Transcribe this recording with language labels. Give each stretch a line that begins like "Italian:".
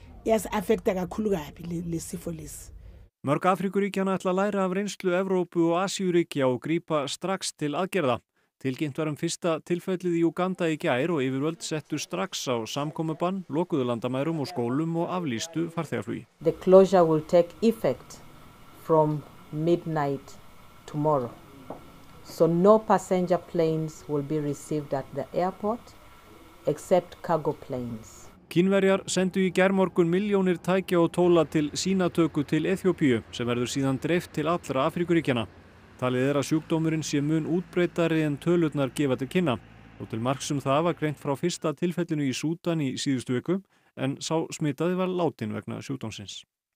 Zulu: Iyasi-affecta kakhulu kabi le sifo lesi.
Icelandic: Mörg Afríkuríkjana ætla að læra af reynslu Evrópu og Asíuríkja og grípa strax til aðgerða. Tilkynnt var fyrsta tilfellið í Uganda í gær og yfirvöld settu strax á samkomubann, lokuðu landamærum og skólum og aflýstu farþegaflugi.
English: The closure will take effect from midnight tomorrow. So no passenger planes will be received at the airport except cargo planes.
Icelandic: Kínverjar sendu í gærmorgun milljónir tækja og tóla til sýnatöku til Eþíópíu sem verður síðan dreift til allra Afríkuríkjana. Talið að sjúkdómurinn sé mun útbreiddari en tölurnar gefa til kynna og til marks það var greint frá fyrsta tilfellinu í Súdan í síðustu viku en sá smitaði var látinn vegna sjúkdómsins.